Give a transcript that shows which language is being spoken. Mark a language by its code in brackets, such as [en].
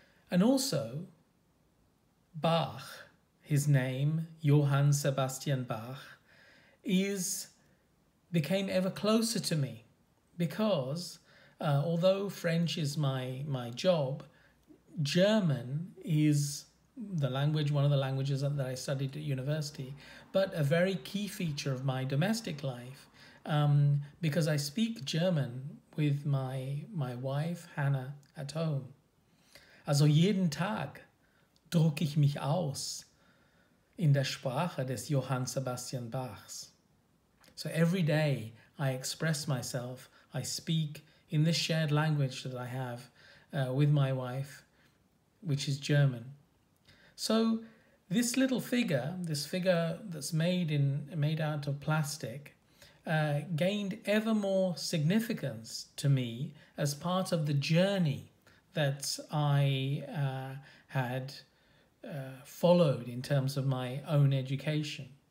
[en] And also, Bach, his name, Johann Sebastian Bach, became ever closer to me, because although French is my job, German is the language, one of the languages that I studied at university, but a very key feature of my domestic life, because I speak German with my wife, Hannah, at home. [de] Also jeden Tag drucke ich mich aus in der Sprache des Johann Sebastian Bachs. [en] So every day I express myself, I speak in this shared language that I have with my wife, which is German. So this little figure, this figure that's made out of plastic, gained ever more significance to me as part of the journey that I had followed in terms of my own education.